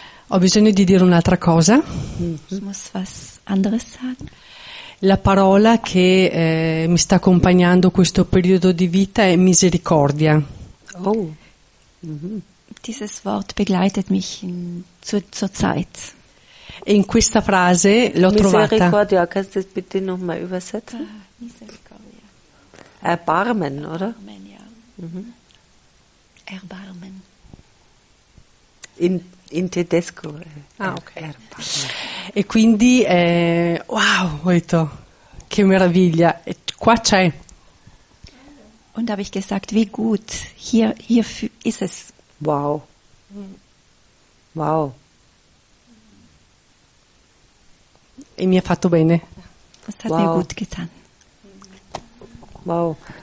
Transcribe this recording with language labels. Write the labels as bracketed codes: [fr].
[it] Ho bisogno di dire un'altra cosa. [de] Ich muss was anderes sagen. [it] La parola che mi sta accompagnando questo periodo di vita è misericordia. Oh. Mm-hmm. [de] Dieses Wort begleitet mich in, zur Zeit. [it] E in questa frase l'ho trovata. [de] Misericordia, kannst du das bitte nochmal übersetzen? [it] Misericordia. [de] Erbarmen, oder? Erbarmen, ja. Mhm. Erbarmen. [it] In tedesco. [de] Ah, ok. Erbarmen. [it] E quindi, wow, Oito, che meraviglia. E qua c'è. [de] Und habe ich gesagt, wie gut, hier ist es. Wow. Wow. [it] E mi ha fatto bene. [de] Wow. Gut getan. Wow.